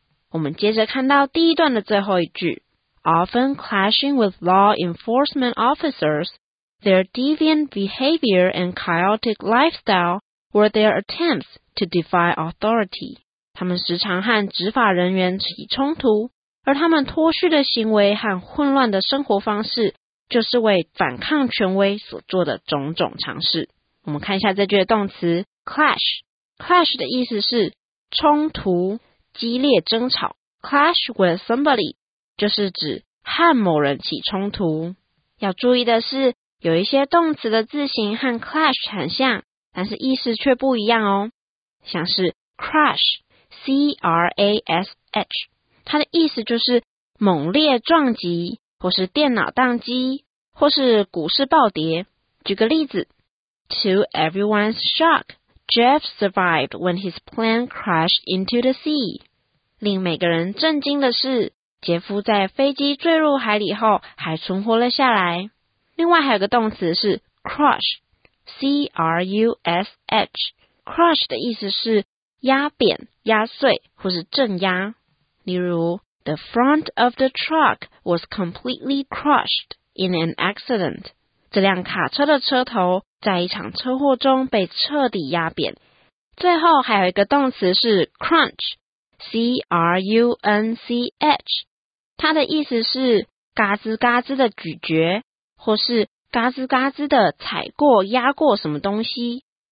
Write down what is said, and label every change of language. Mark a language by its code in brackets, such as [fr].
[zh] 我们接着看到第一段的最后一句， [en] Often clashing with law enforcement officers， their deviant behavior and chaotic lifestyle were their attempts to defy authority。 [zh] 他们时常和执法人员起冲突，而他们脱序的行为和混乱的生活方式就是为反抗权威所做的种种尝试。我们看一下这句的动词 clash， clash 的意思是冲突、激烈争吵。 [en] clash with somebody [zh] 就是指和某人起冲突。要注意的是，有一些动词的字形和 clash 很像，但是意思却不一样哦。像是 crash, C-R-A-S-H, 它的意思就是猛烈撞击，或是电脑宕机，或是股市暴跌。举个例子， [en] To everyone's shock, Jeff survived when his plane crashed into the sea. [zh] 令每个人震惊的是，杰夫在飞机坠入海里后还存活了下来。另外还有个动词是 crush, C-R-U-S-H, crush 的意思是压扁、压碎或是镇压。例如 [en] The front of the truck was completely crushed in an accident. [zh] 这辆卡车的车头在一场车祸中被彻底压扁。最后还有一个动词是 crunch, C-R-U-N-C-H, 它的意思是嘎吱嘎吱的咀嚼，或是嘎吱嘎吱的踩过、压过什么东西。